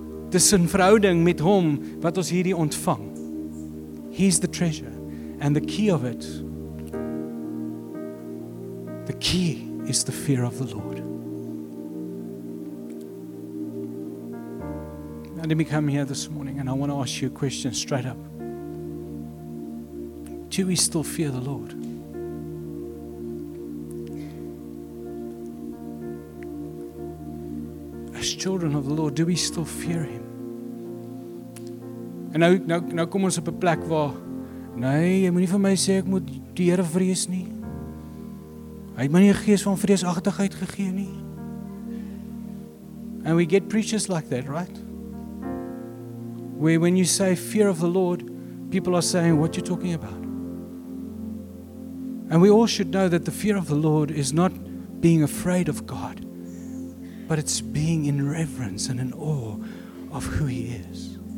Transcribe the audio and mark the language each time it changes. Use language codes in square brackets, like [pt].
[af] Dis 'n verhouding met hom wat ons hierdie ontvang. [en] He's the treasure. And the key of it, the key is the fear of the Lord. Now let me come here this morning and I want to ask you a question straight up. Do we still fear the Lord? As children of the Lord, do we still fear him? [af] En nou kom ons op 'n plek waar, nee, jy moet nie vir my sê ek moet die Here vrees nie. Hy het my nie 'n gees van vreesagtigheid gegee nie. [en] And we get preachers like that, right? Where when you say fear of the Lord, people are saying, what are you talking about? And we all should know that the fear of the Lord is not being afraid of God, but it's being in reverence and in awe of who he is.